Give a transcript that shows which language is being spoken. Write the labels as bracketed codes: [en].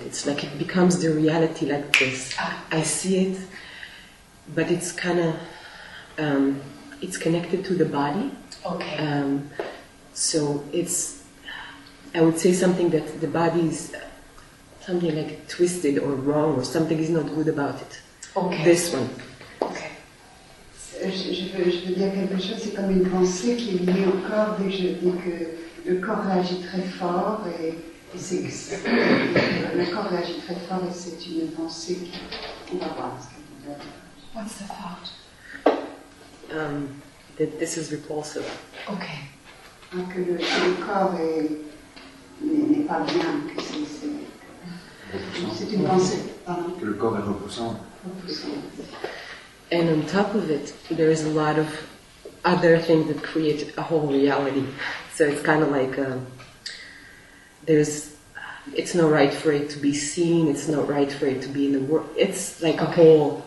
[en] It's like it becomes the reality like this. I see it, but it's kind of it's connected to the body. Okay. So it's, I would say something that the body is something like twisted or wrong or something is not good about it. Okay. This one. [fr] Je veux dire quelque chose, c'est comme une pensée qui est liée au corps, dès que je dis que le corps réagit très fort, et c'est que le corps réagit très fort, et c'est une pensée qui, on va voir ce qu'elle veut dire. [en] What's the thought? That this is repulsive. Okay. [fr] Donc que le corps est, n'est pas bien, que c'est une pensée, pardon. Que le corps est repoussant. Repoussant. [en] And on top of it, there is a lot of other things that create a whole reality. So it's kind of like there's, it's not right for it to be seen. It's not right for it to be in the world. It's like okay. A whole.